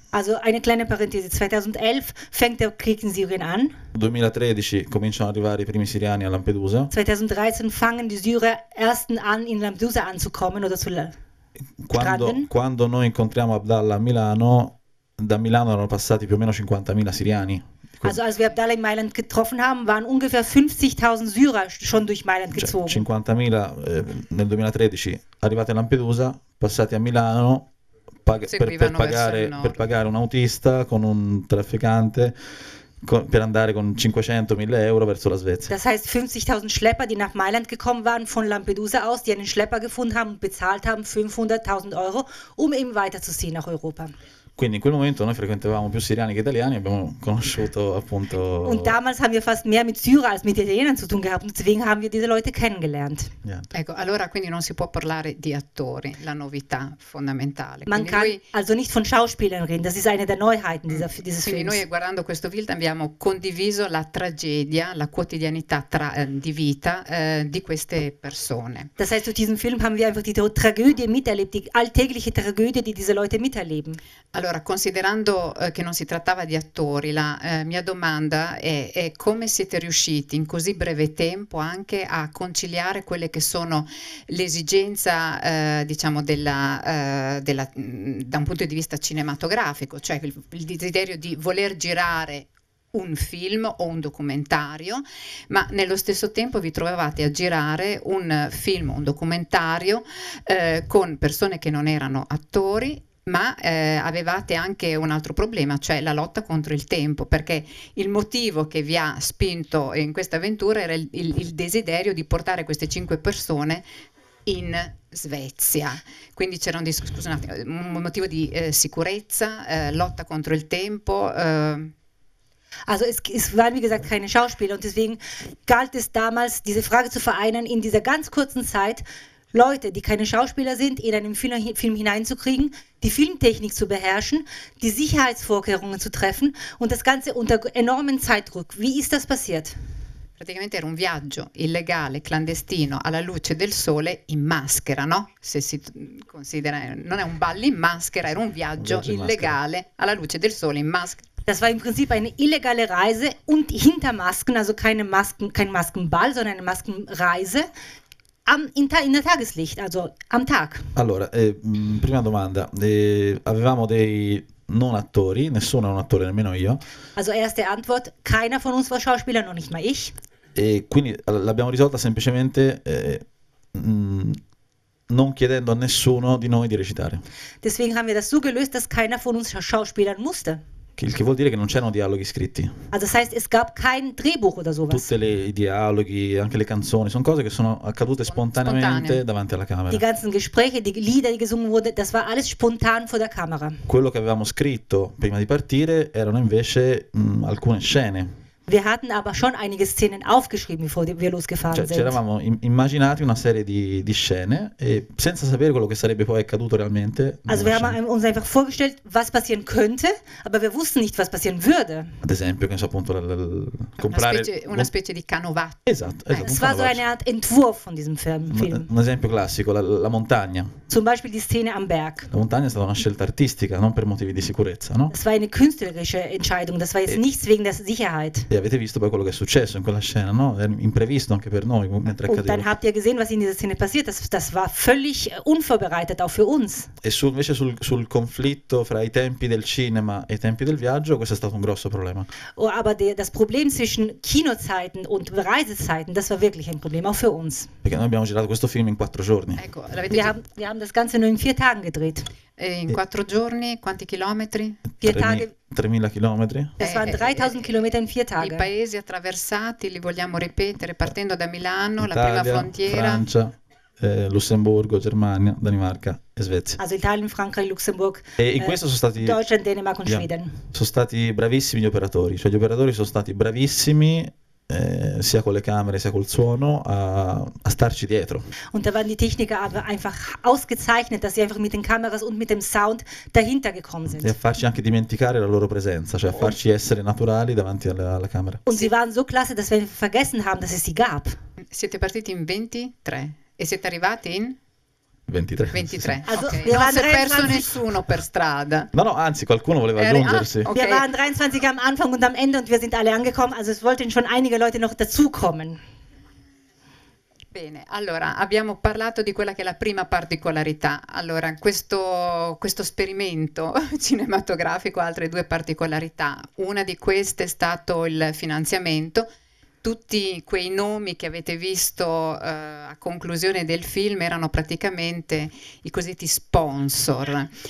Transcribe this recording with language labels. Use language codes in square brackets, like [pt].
[de] Also eine kleine parentesi, 2011 fängt der Krieg in Syrien an. [it] 2013 cominciano ad arrivare i primi siriani a Lampedusa. [de] 2013 fangen die Syrer ersten an in Lampedusa anzukommen oder zu stranden. [it] Quando noi incontriamo Abdallah a Milano, da Milano erano passati più o meno 50.000 siriani. [de] Also als wir Abdallah in Mailand getroffen haben, waren ungefähr 50.000 Syrer schon durch Mailand gezogen. [it] 50.000 nel 2013 arrivati a Lampedusa, passati a Milano. Per pagare un autista con un trafficante per andare con 500.000 euro verso la Svezia. [de] Das heißt, 50.000 Schlepper, die nach Mailand gekommen waren von Lampedusa aus, die einen Schlepper gefunden haben und bezahlt haben 500.000 Euro, um eben weiterzuziehen nach Europa. [it] Quindi in quel momento noi frequentavamo più siriani che italiani, abbiamo conosciuto appunto. [de] Und damals haben wir fast mehr mit Syrer als mit Italienern zu tun gehabt, deswegen haben wir diese Leute kennengelernt. [it] Niente. Ecco, allora quindi non si può parlare di attori, la novità fondamentale. [de] Man [it] quindi [de] kann [it] lui... [de] also nicht von Schauspielern reden, das ist eine der Neuheiten dieser dieses Films. [it] Noi guardando questo film abbiamo condiviso la tragedia, la quotidianità di vita di queste persone. [de] Das heißt, durch diesen Film haben wir einfach die Tragödie miterlebt, die alltägliche Tragödie, die diese Leute miterleben. [it] Allora, considerando che non si trattava di attori, la mia domanda è come siete riusciti in così breve tempo anche a conciliare quelle che sono l'esigenza, diciamo, della, da un punto di vista cinematografico, cioè il desiderio di voler girare un film o un documentario, ma nello stesso tempo vi trovavate a girare un film o un documentario con persone che non erano attori, ma avevate anche un altro problema, cioè la lotta contro il tempo, perché il motivo che vi ha spinto in questa avventura era il desiderio di portare queste cinque persone in Svezia. Quindi c'era un motivo di sicurezza, lotta contro il tempo. [de] Also es waren, wie gesagt, keine Schauspieler, und deswegen galt es damals, diese Frage zu vereinen in dieser ganz kurzen Zeit, Leute, die keine Schauspieler sind, in einen Film hineinzukriegen, die Filmtechnik zu beherrschen, die Sicherheitsvorkehrungen zu treffen und das Ganze unter enormem Zeitdruck. Wie ist das passiert? [it] Praticamente era un viaggio illegale, clandestino, alla luce del sole, in maschera, no? Se si considera, non è un ballo in maschera, era un viaggio illegale, alla luce del sole, in maschera. [de] Das war im Prinzip eine illegale Reise und hinter Masken, also keine Masken, kein Maskenball, sondern eine Maskenreise. In der Tageslicht, also am Tag. [it] Allora, prima domanda. Avevamo dei non attori, nessuno era un attore, nemmeno io. [de] Also erste Antwort, keiner von uns war Schauspieler, noch nicht mal ich. [it] E quindi l'abbiamo risolta semplicemente non chiedendo a nessuno di noi di recitare. [de] Deswegen haben wir das so gelöst, dass keiner von uns Schauspielern musste. [it] Il che vuol dire che non c'erano dialoghi scritti. [de] Also das heißt, es gab kein Drehbuch oder sowas. [it] Tutte i dialoghi, anche le canzoni, sono cose che sono accadute spontaneamente davanti alla camera. [de] Die ganzen Gespräche, die Lieder, die gesungen wurde, das war alles spontan vor der Kamera. [it] Quello che avevamo scritto prima di partire erano invece alcune scene. [de] Wir hatten aber schon einige Szenen aufgeschrieben, bevor wir losgefahren sind. [it] Cioè, c'eravamo immaginati una serie di scene e senza sapere quello che sarebbe poi accaduto realmente. [de] Also wir haben uns einfach vorgestellt, was passieren könnte, aber wir wussten nicht, was passieren würde. [it] Ad esempio, che so appunto comprare una specie di canovaccio. Esatto. [de] Es war so eine Art Entwurf von diesem Film. [it] Un esempio classico, la montagna. [de] Zum Beispiel die Szene am Berg. [it] La montagna è stata una scelta artistica, non per motivi di sicurezza, no? [de] Es war eine künstlerische Entscheidung, das war jetzt nichts wegen der Sicherheit. [it] E avete visto poi quello che è successo in quella scena, no? È imprevisto anche per noi mentre accadeva. [de] Und dann habt ihr gesehen, was in dieser Szene passiert. Das war völlig unvorbereitet auch für uns. [it] E invece sul conflitto fra i tempi del cinema e i tempi del viaggio, questo è stato un grosso problema. [de] Aber das Problem zwischen Kinozeiten und Reisezeiten, das war wirklich ein Problem auch für uns. [it] Perché noi abbiamo girato questo film in 4 giorni. Ecco, [de] wir haben das Ganze nur in 4 Tagen gedreht. [it] In 4 giorni quanti chilometri? 3.000 chilometri. [de] Das waren 3.000 Kilometer in 4 Tagen. [it] I paesi attraversati li vogliamo ripetere partendo da Milano, Italia, la prima frontiera. Italia, Francia, Lussemburgo, Germania, Danimarca e Svezia. [de] Also Italien, Frankreich, Luxemburg. [it] E in questo sono stati [de] Deutschland, Dänemark und Schweden. [it] Sono stati bravissimi gli operatori, cioè gli operatori sono stati bravissimi sia con le camere sia col suono a starci dietro. [de] Und da waren die Techniker aber einfach ausgezeichnet, dass sie einfach mit den Kameras und mit dem Sound dahinter gekommen sind. [it] E a farci anche dimenticare la loro presenza, cioè a farci essere naturali davanti alla camera. [de] Und sie waren so klasse, dass wir vergessen haben, dass es sie gab. [it] Siete partiti in 23 e siete arrivati in 23. [de] 23. Also, okay. Wir waren 23. [it] Non si è perso nessuno per strada. No, anzi, qualcuno voleva aggiungersi. [en] Okay. [de] Wir waren 23 am Anfang und am Ende und wir sind alle angekommen, also es wollten schon einige Leute noch dazukommen. [it] Bene, allora abbiamo parlato di quella che è la prima particolarità. Allora, questo esperimento cinematografico ha altre due particolarità. Una di queste è stato il finanziamento. tutti quei nomi che avete visto a conclusione del film erano praticamente i cosiddetti sponsor.